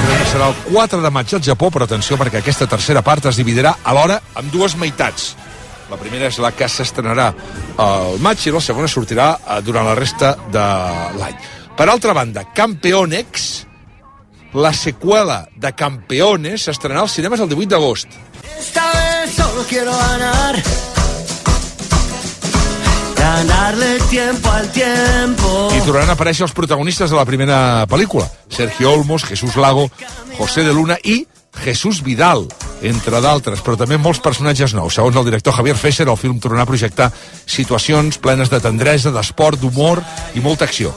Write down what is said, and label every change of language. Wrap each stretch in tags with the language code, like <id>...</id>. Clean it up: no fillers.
<ca>Serà el 4 de maig al Japó, però atenció, perquè aquesta tercera part es dividirà alhora en dues meitats. La primera és la que s'estrenarà al maig i la segona sortirà durant la resta de l'any. Per altra banda, Campeonex, la seqüela de Campeones, s'estrenarà als cinemes el 18 d'agost.</ca> <es>Esta vez solo quiero ganar.</es> <ca>Y tornaran a aparèixer els protagonistes de la primera pel·lícula: Sergio Olmos, Jesús Lago, José de Luna i Jesús Vidal, entre d'altres, però també molts personatges nous. Segons el director Javier Fesser, el film tornarà a projectar situacions plenes de tendresa, d'esport, d'humor i molta acció.</ca>